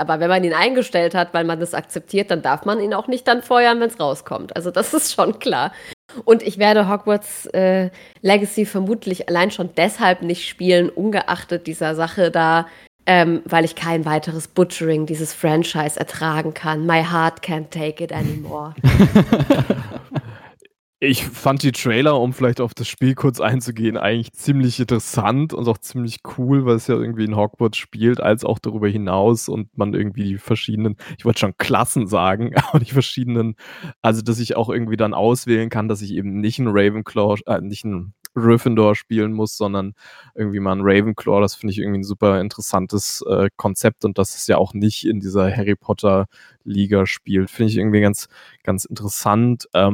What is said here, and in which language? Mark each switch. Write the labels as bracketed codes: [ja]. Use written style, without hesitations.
[de] Aber wenn man ihn eingestellt hat, weil man das akzeptiert, dann darf man ihn auch nicht dann feuern, wenn es rauskommt. Also das ist schon klar. Und ich werde Hogwarts Legacy vermutlich allein schon deshalb nicht spielen, ungeachtet dieser Sache da, weil ich kein weiteres Butchering dieses Franchise ertragen kann. [en] My heart can't take it anymore. [de] Ich fand die Trailer, um vielleicht auf das Spiel kurz einzugehen, eigentlich ziemlich interessant und auch ziemlich cool, weil es ja irgendwie in Hogwarts spielt, als auch darüber hinaus und man irgendwie die verschiedenen, ich wollte schon Klassen sagen, aber die verschiedenen, also dass ich auch irgendwie dann auswählen kann, dass ich eben nicht ein Ravenclaw, nicht ein Gryffindor spielen muss, sondern irgendwie mal ein Ravenclaw, das finde ich irgendwie ein super interessantes Konzept und das ist ja auch nicht in dieser Harry Potter Liga spielt, finde ich irgendwie ganz, ganz interessant.